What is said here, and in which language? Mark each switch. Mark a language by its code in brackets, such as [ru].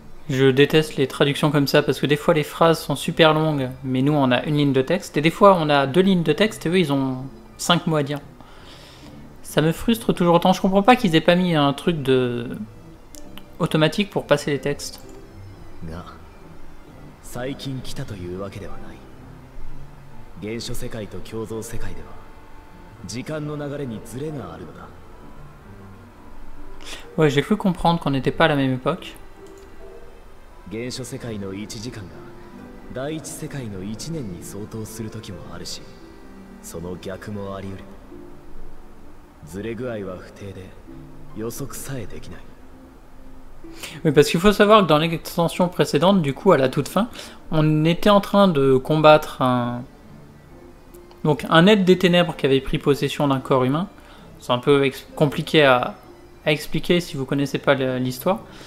[fr] Je déteste les traductions comme ça parce que des fois les phrases sont super longues, mais nous on a une ligne de texte, et des fois on a deux lignes de texte et eux ils ont cinq mots à dire. Ça me frustre toujours autant, je comprends pas qu'ils aient pas mis un truc de automatique pour passer les textes. Non. [ja] 最近来たというわけではない。原初世界と共存世界では時間の流れにズレがあるのだ。 [fr] Ouais, j'ai cru comprendre qu'on n'était pas à la même époque. [ja] 原初世界の1時間が第一世界の1年に相当する時もあるし、その逆もあり得る。ズレ具合は不定で予測さえできない。 [fr] Oui, parce qu'il faut savoir que dans l'extension précédente, du coup, à la toute fin, on était en train de combattre un être des ténèbres qui avait pris possession d'un corps humain. C'est un peu compliqué à expliquer si vous connaissez pas l'histoire.